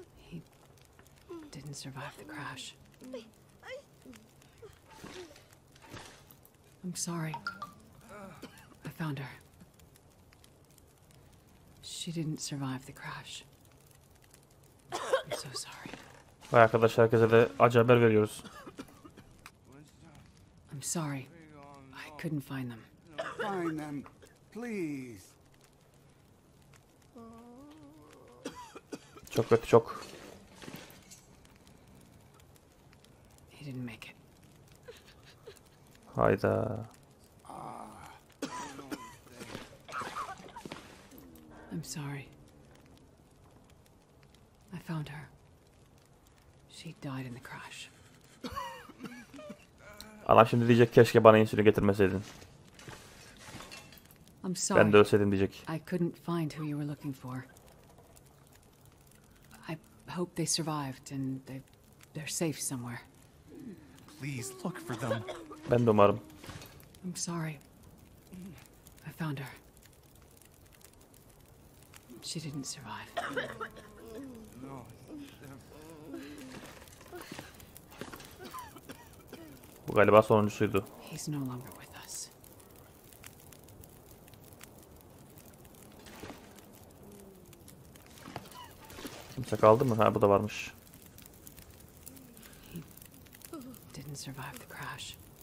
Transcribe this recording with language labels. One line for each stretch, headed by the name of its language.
English: He didn't survive the crash. I'm sorry. I found her. She didn't survive the crash. I'm so sorry.
Turkish: Vay arkadaş, herkese de acı haber veriyoruz.
English: I'm sorry. I couldn't find them. Find them, please.
Turkish: Çok kötü, çok.
English: He didn't make it.
Turkish: Hayda.
English: I'm sorry. I found her. She died in the crash.
Turkish: Adam şimdi diyecek, keşke bana insülin getirmeseydin.
English: I'm sorry.
Turkish: Ben de ölseydim diyecek.
English: I couldn't find who you were looking for. I hope they survived and they're safe somewhere. Please look for them.
Turkish: Ben de umarım.
English: I'm sorry. I found her. She didn't survive. No.
Turkish: Bu galiba sonuncusuydu.
English: He's no longer with us.
Turkish: Kimse kaldı mı? Ha, bu da varmış.
English: He didn't survive the crash.